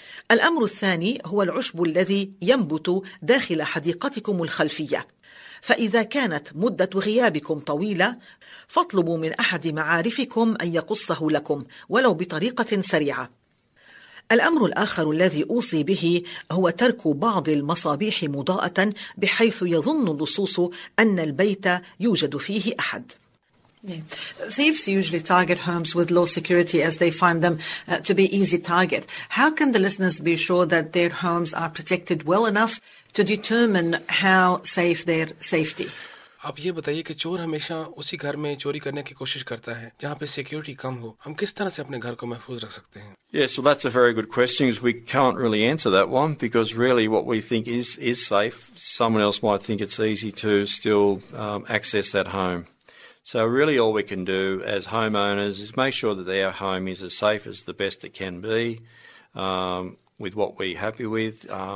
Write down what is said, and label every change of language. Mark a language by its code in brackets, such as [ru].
[ar] الأمر الثاني هو العشب الذي ينبت داخل حديقتكم الخلفية، فإذا كانت مدة غيابكم طويلة فاطلبوا من أحد معارفكم أن يقصه لكم ولو بطريقة سريعة. الأمر الآخر الذي أوصي به هو ترك بعض المصابيح مضاءة بحيث يظن اللصوص أن البيت يوجد فيه أحد. [en] Thieves usually target homes with low security as they find them to be easy target. How can the listeners be sure that their homes are protected well enough to determine how safe their safety? [ur] آپ یہ بتائیے کہ چور ہمیشہ اسی گھر میں چوری کرنے کی کوشش کرتا ہے جہاں پہ سیکیورٹی کم ہو. ہم کس طرح سے اپنے گھر کو محفوظ رکھ سکتے ہیں؟ [en] Yes, so that's a very good question. We can't really answer that one because really what we think is safe, someone else might think it's easy to still access that home. So really all we can do as homeowners is make sure that our home is as safe as the best it can be with what we're happy with.